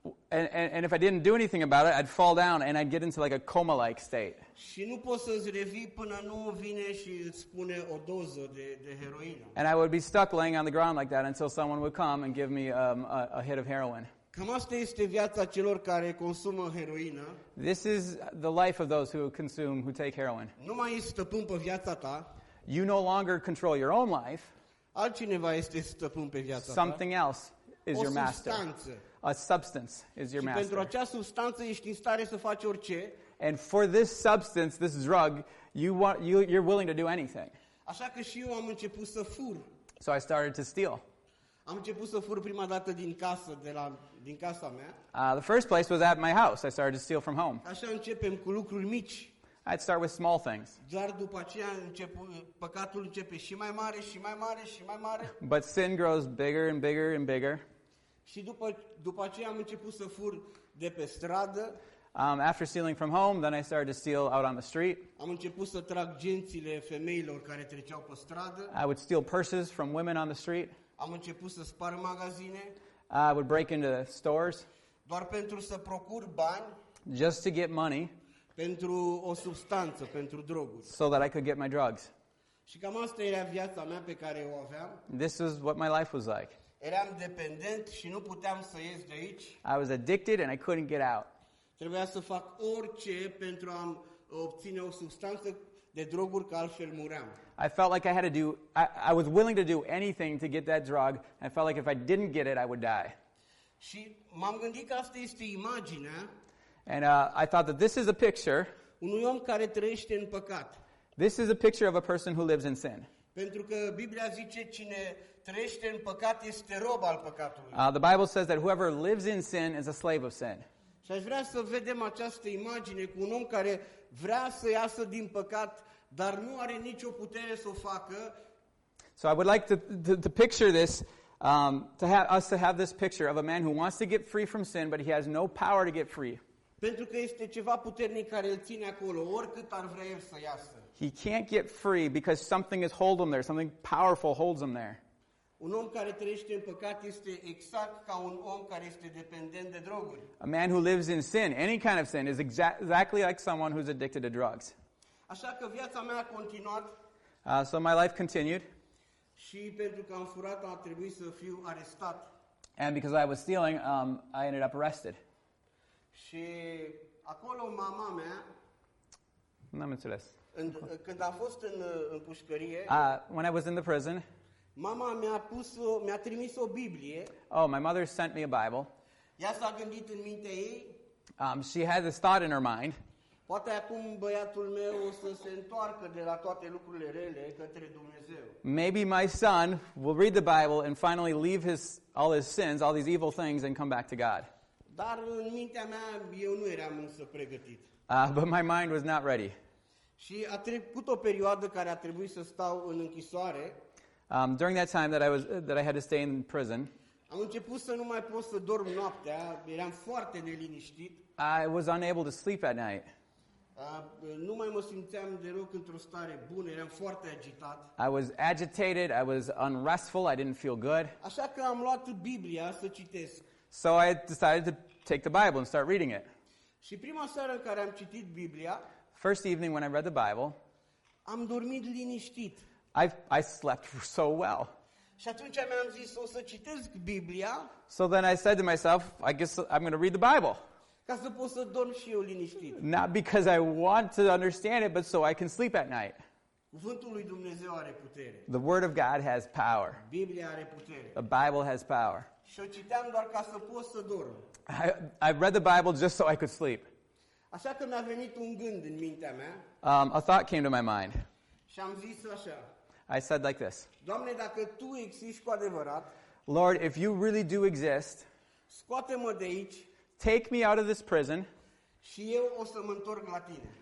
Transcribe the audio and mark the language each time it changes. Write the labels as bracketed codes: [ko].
[en] And if I didn't do anything about it, I'd fall down and I'd get into like a coma-like state. [ro] Și nu poți să îți revii până nu vine și îți pune o doză de heroină. [en] And I would be stuck laying on the ground like that until someone would come and give me a hit of heroin. [ro] Cam asta este viața celor care consumă heroină. [en] This is the life of those who consume, who take heroin. [ro] Nu mai ești stăpân pe viața ta. [en] You no longer control your own life. [ro] Altcineva este stăpân pe viața ta. [en] Something else is [ro] o [en] your master. [ro] Substanță. [en] A substance is your master. [ro] Și pentru acea substanță ești în stare să faci orice. [en] And for this substance, this drug, you're willing to do anything. [ro] Așa că și eu am început să fur. [en] So I started to steal. [ro] Am început să fur prima dată din casă, din casa mea. [en] The first place was at my house. I started to steal from home. [ro] Așa începem cu lucruri mici. [en] I'd start with small things. [ro] Dar după aceea păcatul începe și mai mare, și mai mare, și mai mare. [en] But sin grows bigger and bigger and bigger. [ro] Și după aceea am început să fur de pe stradă. [en] After stealing from home, then I started to steal out on the street. [ro] Am început să trag gențile femeilor care treceau pe stradă. [en] I would steal purses from women on the street. [ro] Am început să spar magazine. [en] I would break into the stores. [ro] Doar pentru să procur bani. [en] Just to get money. [ro] Pentru o substanță, pentru droguri. [en] So that I could get my drugs. [ro] Și cam asta era viața mea pe care o aveam. [en] This is what my life was like. [ro] Eram dependent și nu puteam să ies de aici. [en] I was addicted and I couldn't get out. [ro] Trebuia să fac orice pentru a obține o substanță de droguri, că altfel muream. [en] I felt like I had to do, I was willing to do anything to get that drug. I felt like if I didn't get it, I would die. [ro] Și m-am gândit că asta este imaginea. [en] And I thought that this is a picture. [ro] Unui om care trăiește în păcat. [en] This is a picture of a person who lives in sin. [ro] Pentru că Biblia zice cine trăiește în păcat este rob al păcatului. [en] The Bible says that whoever lives in sin is a slave of sin. [ro] Și aș vrea să vedem această imagine cu un om care vrea să iasă din păcat, dar nu are nicio putere să o facă. [en] So I would like to picture this, us to have this picture of a man who wants to get free from sin, but he has no power to get free. [ro] Pentru că este ceva puternic care îl ține acolo, oricât ar vrea el să iasă. [en] He can't get free because something is holding him there. Something powerful holds him there. [ro] Un om care trăiește în păcat este exact ca un om care este dependent de droguri. [en] A man who lives in sin, any kind of sin, is exactly like someone who's addicted to drugs. [ro] Așa că viața mea a continuat. [en] So my life continued. [ro] Și pentru că am furat, a trebuit să fiu arestat. [en] And because I was stealing, I ended up arrested. [ro] Și acolo mama mea. N-am înțeles. Când a fost în pușcărie. [en] When I was in the prison. [ro] Mama mi-a trimis o Biblie. [en] Oh, my mother sent me a Bible. [ro] Ea s-a gândit în mintea ei. [en] She had this thought in her mind. [ro] Poate acum băiatul meu o să se întoarcă de la toate lucrurile rele către Dumnezeu. [en] Maybe my son will read the Bible and finally leave all his sins, all these evil things, and come back to God. [ro] Dar în mintea mea eu nu eram însă pregătit. [en] But my mind was not ready. [ro] Și a trecut o perioadă care a trebuit să stau în închisoare. [en] During that time that I had to stay in prison. [ro] Am început să nu mai pot să dorm noaptea, eram foarte neliniștit. [en] I was unable to sleep at night. [ro] Nu mai mă simțeam deloc într-o stare bună, eram foarte agitat. [en] I was agitated, I was unrestful, I didn't feel good. [ro] Așa că am luat Biblia să citesc. [en] So I decided to take the Bible and start reading it. [ro] Și prima seară în care am citit Biblia, [en] first evening when I read the Bible, [ro] am dormit liniștit. [en] I slept so well. [ro] Și atunci mi-am zis, o să citesc Biblia. [en] So then I said to myself, I guess I'm going to read the Bible. [ro] Ca să pot să dorm și eu liniștit. [en] Not because I want to understand it, but so I can sleep at night. [ro] Cuvântul lui Dumnezeu are putere. [en] The Word of God has power. [ro] Biblia are putere. [en] The Bible has power. [ro] Și o citeam doar ca să pot să dorm. [en] I read the Bible just so I could sleep. [ro] Așa că mi-a venit un gând în mintea mea. [en] A thought came to my mind. [ro] Și am zis așa. [en] I said like this. [ro] Doamne, dacă tu existi cu adevărat, [en] Lord, if you really do exist, [ro] scoate-mă de aici, [en] take me out of this prison, [ro] și eu o să mă întorc la tine.